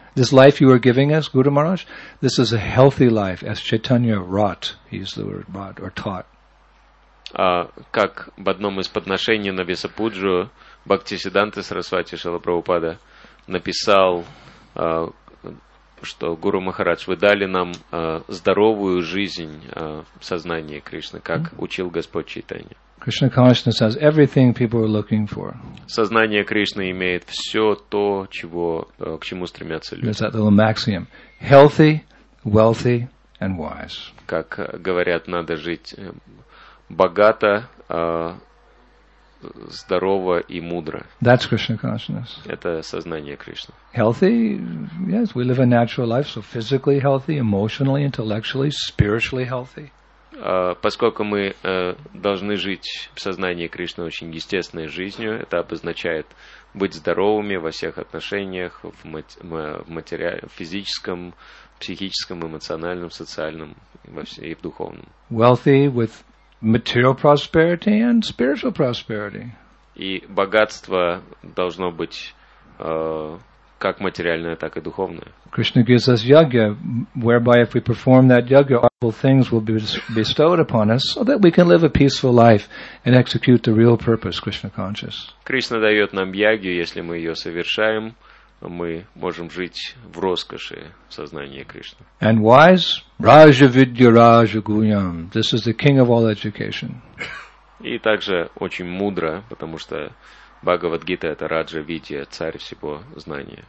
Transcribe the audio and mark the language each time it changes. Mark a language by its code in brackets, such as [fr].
[en] This life you are giving us, Guru Maharaj, this is a healthy life, as Chaitanya wrought, he used the word wrought, or taught. [ru] Как в одном из подношений на Весапуджу Бхактисиддханта Сарасвати Шрила Прабхупада написал, что Гуру Махарадж, вы дали нам здоровую жизнь в сознании Кришны, как учил Господь Чайтанья. [en] Krishna consciousness has everything people are looking for. [ru] Сознание Кришны имеет все то, чего, к чему стремятся люди. [en] There's that little maxim. Healthy, wealthy and wise. [ru] Как говорят, надо жить богато, здорово и мудро. [en] That's Krishna consciousness. [ru] Это сознание Кришны. [en] Healthy? Yes, we live a natural life, so physically healthy, emotionally, intellectually, spiritually healthy. [ru] Поскольку мы должны жить в сознании Кришны очень естественной жизнью, это обозначает быть здоровыми во всех отношениях, в физическом, психическом, эмоциональном, социальном и в духовном. [en] Wealthy with material prosperity and spiritual prosperity. [ru] И богатство должно быть как материальное, так и духовное. [en] Krishna gives us yajna, whereby if we perform that yajna, all things will be bestowed upon us, so that we can live a peaceful life and execute the real purpose, Krishna conscious. [ru] Krishna дает нам ягью, если мы ее совершаем, мы можем жить в роскоши в сознании Кришны. [en] And wise, Raja Vidya Raja Gunyam. This is the king of all education. [ru] И также очень мудро, потому что Бхагавад-гита – это Раджа Видья, царь всего знания.